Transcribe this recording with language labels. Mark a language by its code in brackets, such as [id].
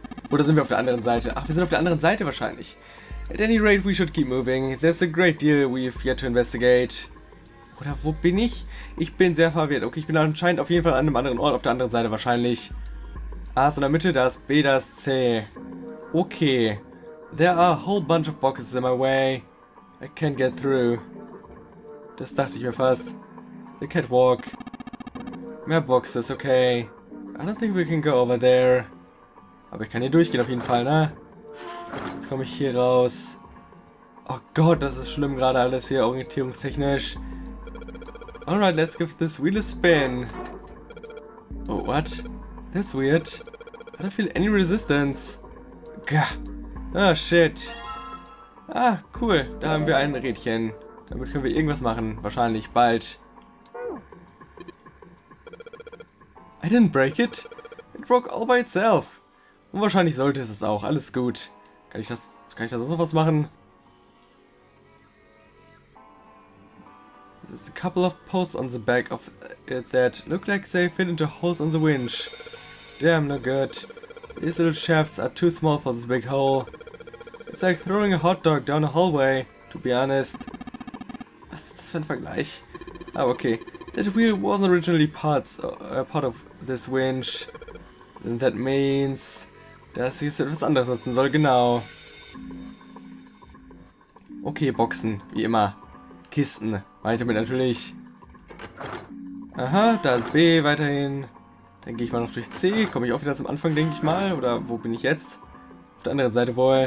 [de] Oder sind wir auf der anderen Seite? Ach, wir sind auf der anderen Seite wahrscheinlich. [en] At any rate, we should keep moving. There's a great deal we've yet to investigate. [de] Oder wo bin ich? Ich bin sehr verwirrt. Okay, ich bin anscheinend auf jeden Fall an einem anderen Ort, auf der anderen Seite wahrscheinlich. A ist in der Mitte, das B, das C. Okay. [en] There are a whole bunch of boxes in my way. I can't get through. [de] Das dachte ich mir fast. [en] The catwalk. [de] Mehr Boxes, okay. [en] I don't think we can go over there. [de] Aber ich kann hier durchgehen auf jeden Fall, ne? Jetzt komme ich hier raus. Oh Gott, das ist schlimm gerade alles hier, orientierungstechnisch. [en] Alright, let's give this wheel a spin. Oh, what? That's weird. I don't feel any resistance. Gah. Oh, shit. Ah, cool. [de] Da haben wir ein Rädchen. Damit können wir irgendwas machen. Wahrscheinlich bald. [en] I didn't break it. It broke all by itself. [de] Und wahrscheinlich sollte es auch. Alles gut. Kann ich da sonst noch was machen? [en] There's a couple of posts on the back of it that look like they fit into holes on the winch. Damn, no good. These little shafts are too small for this big hole. It's like throwing a hot dog down a hallway, to be honest. [de] Was ist das für ein Vergleich? Ah, okay. [en] That wheel wasn't originally part of this winch. And that means... [de] dass ich jetzt etwas anderes nutzen soll, genau. Okay, Boxen, wie immer. Kisten. Weiter mit natürlich. Aha, da ist B weiterhin. Dann gehe ich mal noch durch C. Komme ich auch wieder zum Anfang, denke ich mal. Oder wo bin ich jetzt? Auf der anderen Seite wohl.